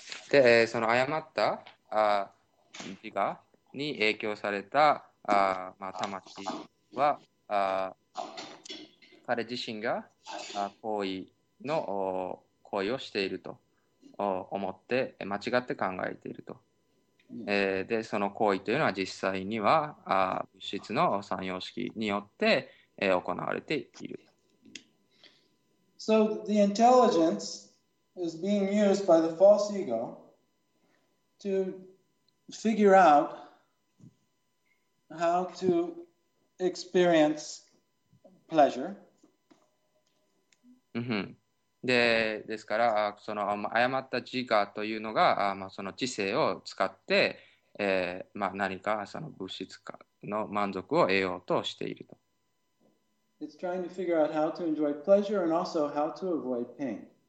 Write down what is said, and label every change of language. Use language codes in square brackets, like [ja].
[ja] で、その誤った自我に影響された、まあ、魂は、彼自身が行為をしていると思って間違って考えていると。でその行為というのは実際には物質の三様式によって、行われている。 [en] So the intelligence is being used by the false ego to figure out how to experience pleasure. [ja] ですから、その誤った自我というのが、まあ、その知性を使って、まあ、何かその物質化の満足を得ようとしていると。 [en] It's trying to figure out how to enjoy pleasure and also how to avoid pain.